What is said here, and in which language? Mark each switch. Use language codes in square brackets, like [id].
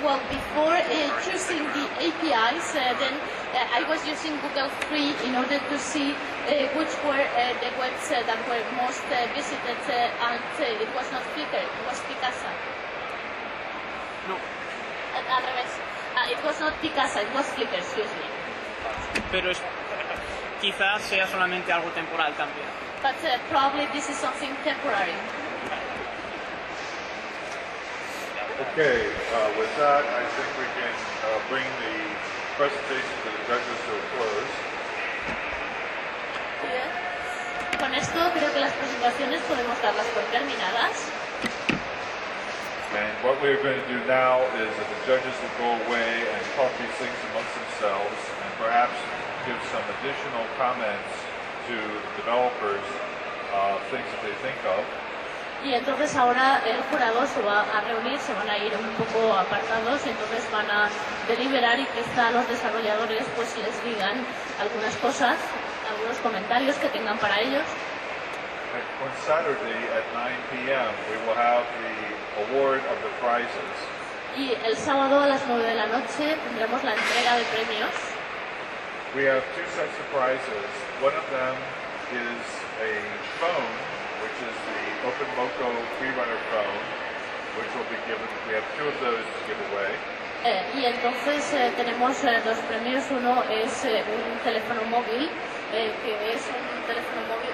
[en] Before choosing the APIs, I was using Google Free in order to see which were the webs that were most visited, and it was not Flickr, it was Picasa. No. It was not Picasa, it was Flickr, excuse me. [es] Pero es, quizás sea solamente algo temporal también. [en] But probably this is something temporary. Okay, with that, I think we can bring the presentation to the judges to a close. [es] Con esto creo que las presentaciones podemos darlas por terminadas. [en] And what we're going to do now is that the judges will go away and talk these things amongst themselves and perhaps give some additional comments to the developers, things that they think of. [es] Y entonces ahora el jurado se va a reunir, se van a ir un poco apartados y entonces van a deliberar y quizá los desarrolladores pues les digan algunas cosas, algunos comentarios que tengan para ellos. [en] On Saturday at 9 p.m. we will have the award of the prizes. [es] Y el sábado a las 9 de la noche tendremos la entrega de premios. [en] We have two sets of prizes. One of them is a phone, which is the OpenMoco FreeRunner phone, which will be given. We have two of those to give away. [es] Y entonces tenemos dos premios. Uno es un teléfono móvil, que es un teléfono móvil.